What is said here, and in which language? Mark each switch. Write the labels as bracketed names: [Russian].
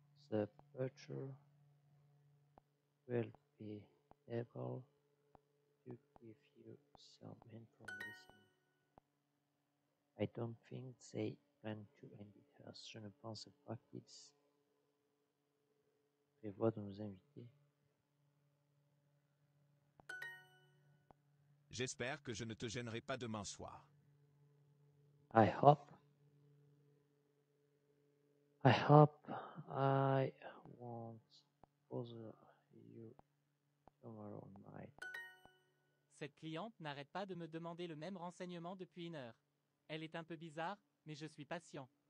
[English] The butcher will be able to give you some information. I don't think they plan to end it. [French] Je ne pense pas qu'ils prévoient de nous inviter. J'espère que je ne te gênerai pas demain soir. [English] I hope I won't bother you tomorrow night. [French] Cette cliente n'arrête pas de me demander le même renseignement depuis une heure. Elle est un peu bizarre, mais je suis patient.